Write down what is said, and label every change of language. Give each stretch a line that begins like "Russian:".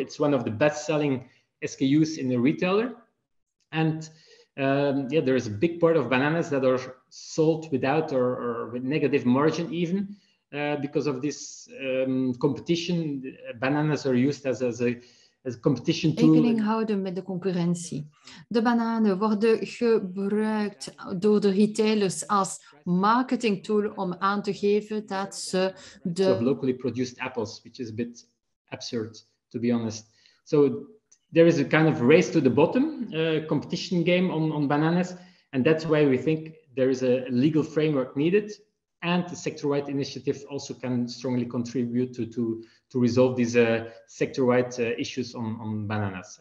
English: It's one of the best-selling SKUs in the retailer. And yeah, there is a big part of bananas that are sold without or with negative margin even. Because of this competition, bananas are used as a competition tool.
Dutch: Rekening houden met de concurrentie. De bananen worden gebruikt door de retailers als marketing tool om aan te geven dat ze de...
English: of locally produced apples, which is a bit absurd, to be honest. So there is a kind of race to the bottom, competition game on bananas. And that's why we think there is a legal framework needed. And the sector-wide initiative also can strongly contribute to resolve these sector-wide issues on bananas.